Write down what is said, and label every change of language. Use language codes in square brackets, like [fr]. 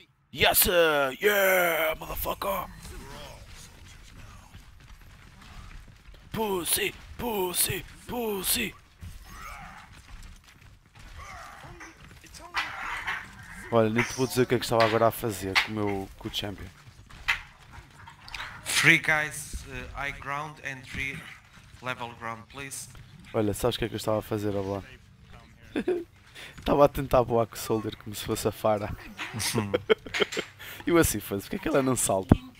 [en] Yes, sir! Yeah, motherfucker! Pussy! Pussy! Pussy! [pt] Olha, nem te vou dizer o que é que estava agora a fazer com o meu com o champion. [en] Three guys high ground and three level ground, please. [pt] Olha, sabes o que é que eu estava a fazer, olha lá? Estava a tentar voar com o Soldier como se fosse a Fara. E o Assifas, porquê é que ela não salta?